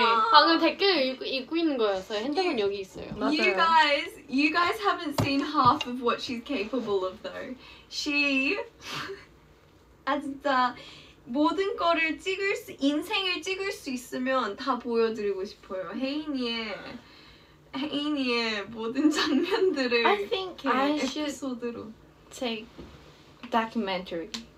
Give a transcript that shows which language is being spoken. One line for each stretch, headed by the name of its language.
Korean: 방금 댓글 읽고 있는 거였어요. 핸드폰 여기 있어요. 맞아요.
English: You guys haven't seen half of what she's capable of though.
Korean: She 아 진짜 모든 거를 찍을 수 인생을 찍을 수 있으면 다 보여드리고 싶어요. 혜인이의 모든 장면들을
English: I think I should take documentary.